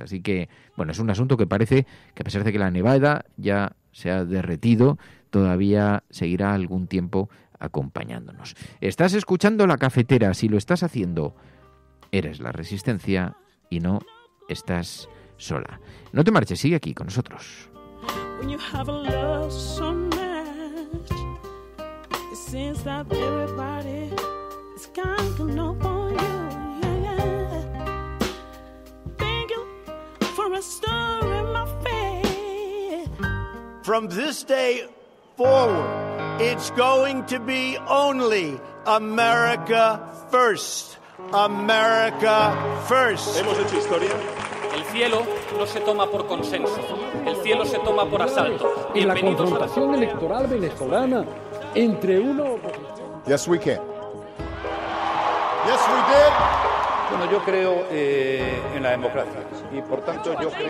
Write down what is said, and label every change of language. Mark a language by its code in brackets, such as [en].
[es] Así que, bueno, es un asunto que parece que, a pesar de que la nevada ya se ha derretido, todavía seguirá algún tiempo acompañándonos. Estás escuchando La Cafetera. Si lo estás haciendo, eres la resistencia y no estás sola. No te marches, sigue aquí con nosotros. [en] When you have a love so much, it seems that everybody is kind of up on you, yeah. Thank you for restoring my faith. From this day forward, it's going to be only America first. [es] America first. Hemos hecho historia. El cielo no se toma por consenso, el cielo se toma por asalto. Y la confrontación electoral venezolana entre uno... [en] Yes, we can. Yes, we did. [es] Bueno, yo creo en la democracia y, por tanto, yo creo...